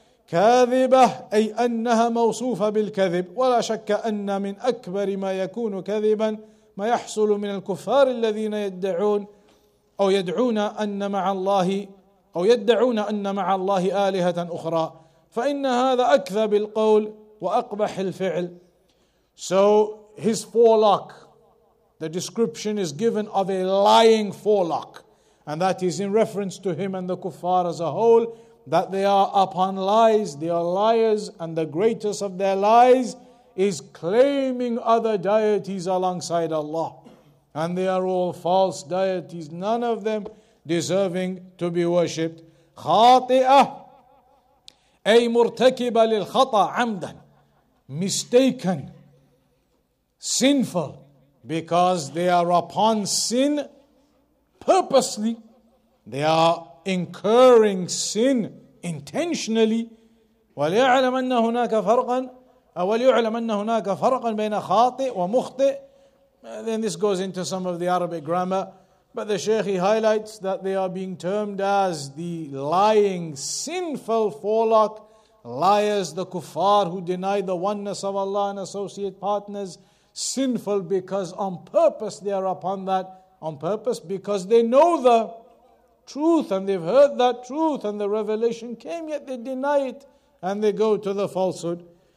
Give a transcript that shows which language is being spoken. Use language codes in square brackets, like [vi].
[ar] كاذبة أي أنها موصوفة بالكذب ولا شك أن من أكبر ما يكون كذبا ما يحصل من الكفار الذين يدعون أو يدعون أن مع الله أو يدعون أن مع الله آلهة أخرى فإن هذا أكذب القول وأقبح الفعل. [en] So his forelock, the description is given of a lying forelock, and that is in reference to him and the kuffar as a whole, that they are upon lies, they are liars, and the greatest of their lies is claiming other deities alongside Allah. And they are all false deities, none of them deserving to be worshipped. [ar] خاطئة أي مرتكبة للخطأ عمدا, [en] mistaken, sinful, because they are upon sin purposely. They are incurring sin intentionally. [ar] وليعلم أن هناك فرقا أو وليعلم أن هناك فرقا بين خاطئ ومخطئ. [en] Then this goes into some of the Arabic grammar, but the Sheikh, he highlights that they are being termed as the lying, sinful forelock, liars, the kuffar who deny the oneness of Allah and associate partners, sinful because on purpose they are upon that, on purpose because they know the truth and they've heard that truth and the revelation came, yet they deny it and they go to the falsehood.